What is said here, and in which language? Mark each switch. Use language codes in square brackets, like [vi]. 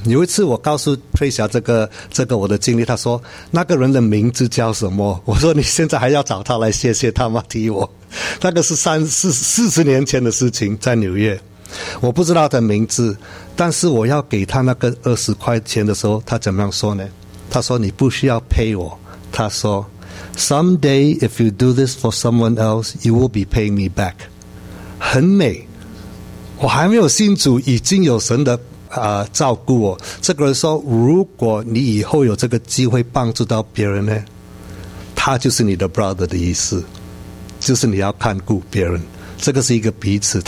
[zh] 有一次我告诉 Tracia 这个我的经历，他说那个人的名字叫什么，我说你现在还要找他来谢谢他吗？提我那个是40年前的事情，在纽约，我不知道他的名字，但是我要给他那个20块钱的时候，他怎么样说呢？他说你不需要pay我，他说 [en] Someday if you do this for someone else you will be paying me back。 [zh] 很美，我还没有信主已经有神的照顾我，这个人说如果你以后有这个机会帮助到别人呢，他就是你的 brother 的意思，就是你要看顾别人，这个是一个彼此。